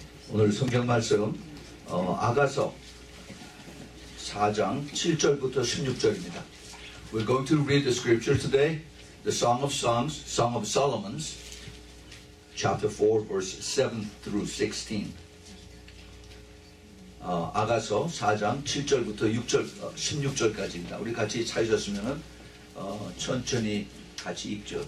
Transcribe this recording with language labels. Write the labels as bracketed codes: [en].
[ko] 오늘 성경 말씀 아가서 4장 7절부터 16절입니다. [en] We're going to read the scripture today, the Song of Songs, Song of Solomon's, chapter 4, verse 7 through 16. [ko] 아가서 4장 7절부터 6절 16절까지입니다. 우리 같이 찾으셨으면 천천히 같이 읽죠.